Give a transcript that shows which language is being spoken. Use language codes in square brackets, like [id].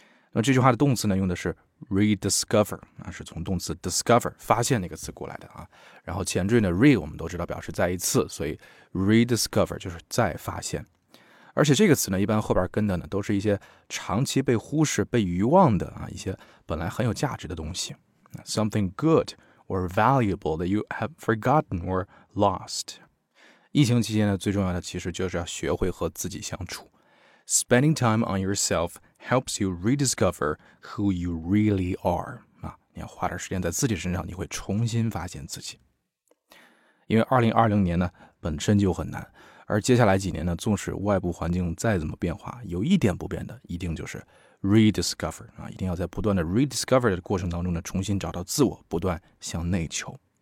[zh] 那这句话的动词呢用的是 rediscover, 那是从动词 discover, 发现那个词过来的啊。然后前缀呢 re 我们都知道表示再一次，所以 rediscover 就是再发现。而且这个词呢一般后边跟的呢都是一些长期被忽视被遗忘的啊，一些本来很有价值的东西。 [en] Something good or valuable that you have forgotten or lost. [zh] 疫情期间呢最重要的其实就是要学会和自己相处。 [en] Spending time on yourself helps you rediscover who you really are. [zh] 啊，你要花点时间在自己身上，你会重新发现自己。因为2020年呢本身就很难。而接下来几年呢，纵使外部环境再怎么变化，有一点不变的，一定就是 rediscover 啊，一定要在不断的 rediscover 的过程当中呢，重新找到自我，不断向内求。